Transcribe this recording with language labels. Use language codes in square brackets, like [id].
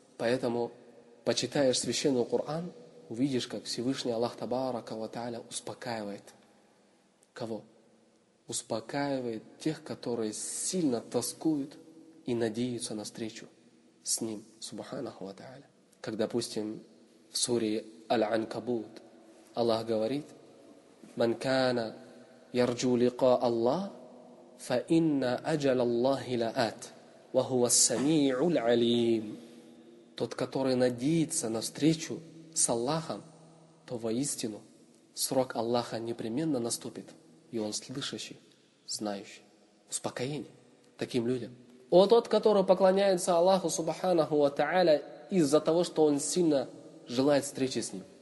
[ru] Поэтому почитаешь священный Коран, увидишь, как Всевышний Аллах табарака ва тааля успокаивает. Кого? Успокаивает тех, которые сильно тоскуют и надеются на встречу с ним, субханаху ва тааля. Как, допустим, в суре Аль-Анкабут Аллах говорит: [ar] من كان يرجو لقاء الله فإن أجل الله لآت وهو السميع العليم. [ru] Тот, который надеется на встречу с Аллахом, то воистину срок Аллаха непременно наступит, и он слышащий, знающий. Успокоение таким людям. О тот, который поклоняется Аллаху субханаху ва та'аля из-за того, что он сильно желает встречи с ним.